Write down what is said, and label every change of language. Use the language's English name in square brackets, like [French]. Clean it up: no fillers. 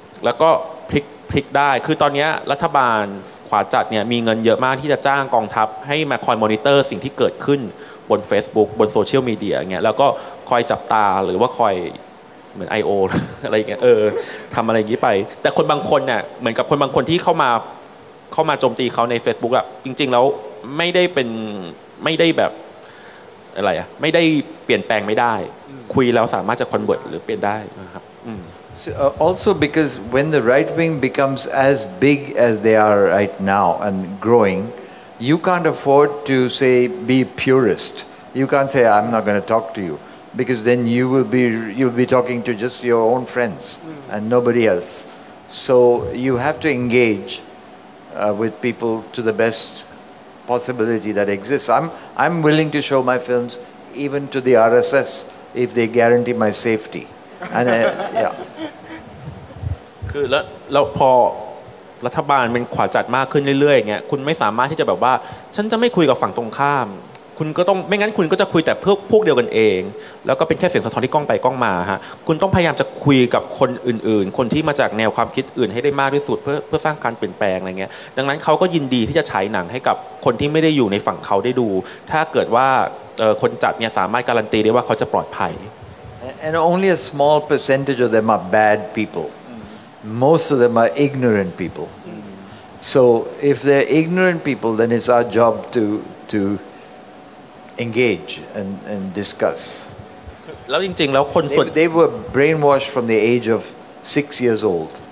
[Thai] วก็พลิกได้คือตอนนี้รัฐบาลขวาจัดเนี่ยมีเงินเยอะมากที่จะจ้างกองทัพให้มาคอยมอนิเตอร์สิ่งที่เกิดขึ้นบน Facebook บนโซเชียลมีเดียเงี้ยแล้วก็คอยจับตาหรือว่าคอยเหมือน IO อะไรเงี้ยทำอะไรอย่างงี้ไปแต่คนบางคนเนี่ยเหมือนกับคนบางคนที่เข้ามาโจมตีเขาใน Facebook อ่ะจริงๆแล้วไม่ได้เป็นไม่ได้แบบอะไรอ่ะไม่ได้เปลี่ยนแปลงไม่ได้คุยแล้วสามารถจะคอนเวิร์ตหรือเปลี่ยนได้นะครับ [English] Also because when the right wing becomes as big as they are right now and growing, you can't afford to say be purist. You can't say I'm not going to talk to you because then you'll be talking to just your own friends and nobody else. So you have to engage with people to the best possibility that exists. I'm willing to show my films even to the RSS if they guarantee my safety. And [Thai] คือแล้วพอรัฐบาลมันขวาจัดมากขึ้นเรื่อยๆเงี้ยคุณไม่สามารถที่จะแบบว่าฉันจะไม่คุยกับฝั่งตรงข้ามคุณก็ต้องไม่งั้นคุณก็จะคุยแต่เพื่อพวกเดียวกันเองแล้วก็เป็นแค่เสียงสะท้อนที่กล้องไปกล้องมาฮะคุณต้องพยายามจะคุยกับคนอื่นๆคนที่มาจากแนวความคิดอื่นให้ได้มากที่สุดเพื่อสร้างการเปลี่ยนแปลงอะไรเงี้ยดังนั้นเขาก็ยินดีที่จะฉายหนังให้กับคนที่ไม่ได้อยู่ในฝั่งเขาได้ดูถ้าเกิดว่าคนจัดเนี่ยสามารถการันตีได้ว่าเขาจะปลอดภัย [English] And only a small percentage of them are bad people. Most of them are ignorant people. So if they're ignorant people, then it's our job to engage and discuss. They were brainwashed from the age of 6 years old.